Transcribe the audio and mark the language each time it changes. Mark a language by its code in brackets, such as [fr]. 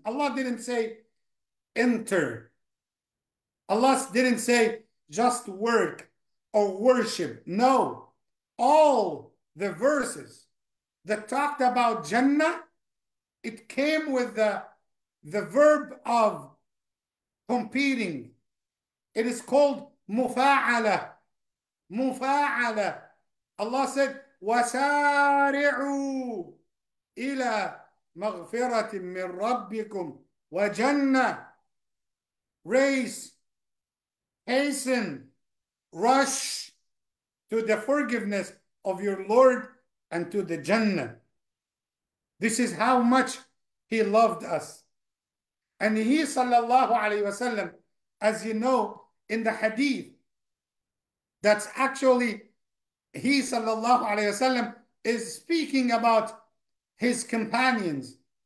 [en] Allah didn't say, enter. Allah didn't say, just work or worship. No. All the verses that talked about Jannah, it came with the verb of competing. It is called mufa'ala. Mufa'ala. [ar] Allah said, وَسَارِعُوا إِلَى مَغْفِرَةٍ مِّن رَبِّكُمْ وَجَنَّةٍ. [en] Race, hasten, rush to the forgiveness of your Lord and to the Jannah. This is how much He loved us. And He, sallallahu alayhi wasallam, as you know, in the hadith, that's actually He, sallallahu alayhi wasallam, is speaking about His companions.